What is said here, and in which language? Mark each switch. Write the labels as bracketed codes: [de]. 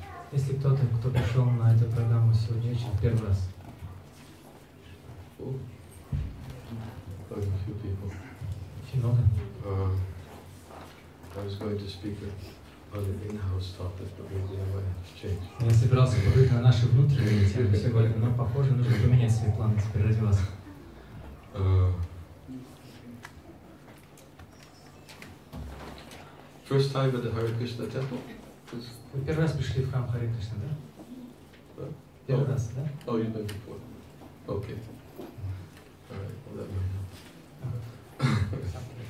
[ru] Если кто-то, кто пришел на эту программу сегодня вечером в первый раз. [en] I was going to speak on the in-house topic, but maybe I might have to change. [ru] Я собирался поговорить на наши внутренние темы сегодня, но похоже, нужно поменять свои планы теперь ради вас. [en] First time at the Hare Krishna temple. [ru] Вы первый раз пришли в храм Харе Кришна, да? [en] Да? Oh, you've been before. Okay. All right, well, that might help.